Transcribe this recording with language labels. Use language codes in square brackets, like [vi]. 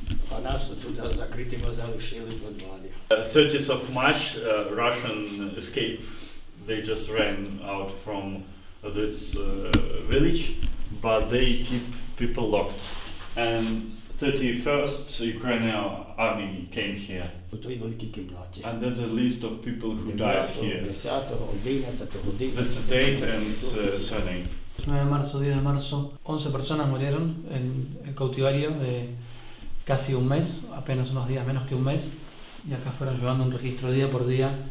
[uk] А нас тут закритими залишили в подвалі. [en] 30th of March, Russian escape. They just ran out from this village, but they keep people locked. And 31st, Ukrainian army came here. [uk] У той великій кімнаті. [en] And there's a list of people who died here. [uk] 10-го, 11-го, 11-го. [en] That's the date and surname. [es] 9 de marzo, 10 de marzo, 11 personas murieron en el cautiverio de casi un mes, apenas unos días, menos que un mes. Y acá fueron llevando un registro día por día.